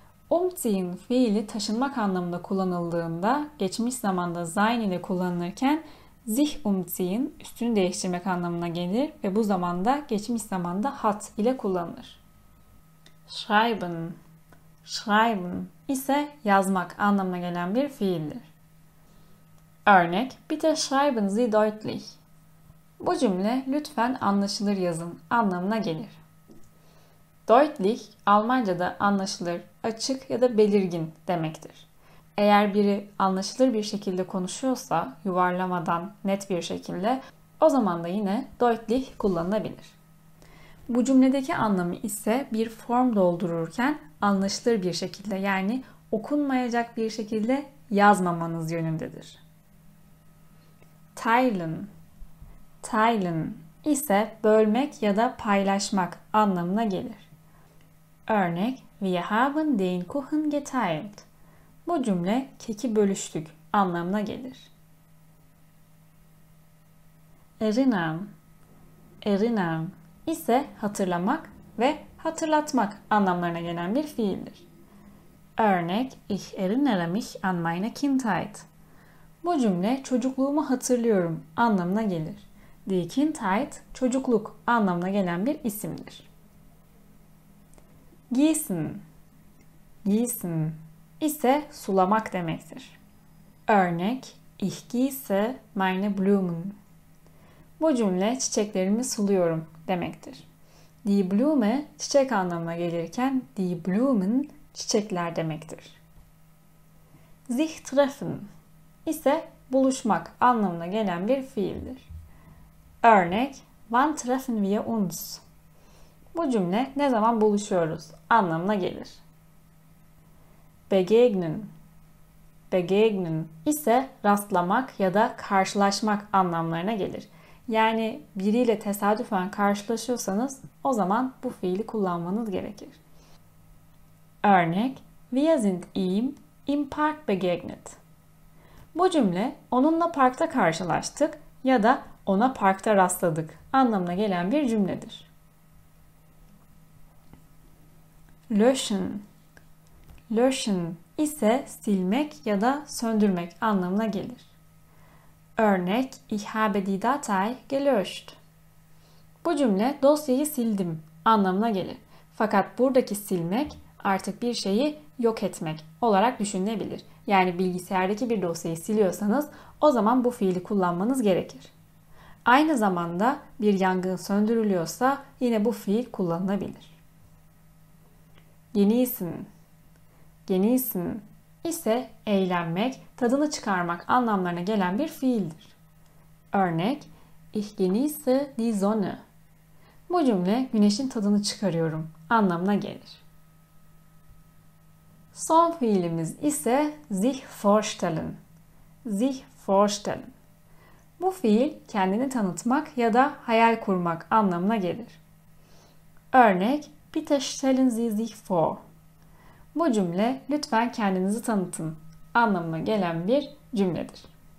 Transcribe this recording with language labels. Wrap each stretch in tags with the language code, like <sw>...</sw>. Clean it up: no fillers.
<tr>Umziehen fiili taşınmak anlamında kullanıldığında geçmiş zamanda sein ile kullanılırken sich umziehen üstünü değiştirmek anlamına gelir ve bu zamanda geçmiş zamanda hat ile kullanılır. Schreiben. Schreiben ise yazmak anlamına gelen bir fiildir.</tr> <de>Örnek: Bitte schreiben Sie deutlich.</de> <tr>Bu cümle lütfen anlaşılır yazın anlamına gelir. Deutlich Almanca'da anlaşılır, açık ya da belirgin demektir. Eğer biri anlaşılır bir şekilde konuşuyorsa, yuvarlamadan, net bir şekilde, o zaman da yine deutlich kullanılabilir. Bu cümledeki anlamı ise bir form doldururken anlaşılır bir şekilde, yani okunmayacak bir şekilde yazmamanız yönündedir. Teilen. Teilen ise bölmek ya da paylaşmak anlamına gelir.</tr> <de>Örnek: Wir haben den Kuchen geteilt.</de> <tr>Bu cümle keki bölüştük anlamına gelir. Erinnern. Erinnern ise hatırlamak ve hatırlatmak anlamlarına gelen bir fiildir.</tr> <de>Örnek: Ich erinnere mich an meine Kindheit.</de> <tr>Bu cümle çocukluğumu hatırlıyorum anlamına gelir. Die Kindheit çocukluk anlamına gelen bir isimdir. Gießen. Gießen ise sulamak demektir.</tr> <de>Örnek: Ich gieße meine Blumen.</de> <tr>Bu cümle çiçeklerimi suluyorum demektir. Die Blume çiçek anlamına gelirken die Blumen çiçekler demektir. Sich treffen ise buluşmak anlamına gelen bir fiildir.</tr> <de>Örnek: Wann treffen wir uns?</de> <tr>Bu cümle ne zaman buluşuyoruz anlamına gelir. Begegnen. Begegnen ise rastlamak ya da karşılaşmak anlamlarına gelir. Yani biriyle tesadüfen karşılaşıyorsanız o zaman bu fiili kullanmanız gerekir.</tr> <de>Örnek: Wir sind ihm im Park begegnet.</de> <tr>Bu cümle onunla parkta karşılaştık ya da ona parkta rastladık anlamına gelen bir cümledir. Löschen. Löschen ise silmek ya da söndürmek anlamına gelir.</tr> <de>Örnek: Ich habe die Datei gelöscht.</de> <tr>Bu cümle dosyayı sildim anlamına gelir. Fakat buradaki silmek artık bir şeyi yok etmek olarak düşünülebilir. Yani bilgisayardaki bir dosyayı siliyorsanız o zaman bu fiili kullanmanız gerekir. Aynı zamanda bir yangın söndürülüyorsa yine bu fiil kullanılabilir. Genießen. Genießen ise eğlenmek, tadını çıkarmak anlamlarına gelen bir fiildir.</tr> <de>Örnek: Ich genieße die Sonne.</de> <tr>Bu cümle güneşin tadını çıkarıyorum anlamına gelir. Son fiilimiz ise sich vorstellen. Sich vorstellen. Bu fiil kendini tanıtmak ya da hayal kurmak anlamına gelir.</tr> <de>Örnek: Bitte stellen Sie sich vor.</de> <tr>Bu cümle lütfen kendinizi tanıtın anlamına gelen bir cümledir.</tr>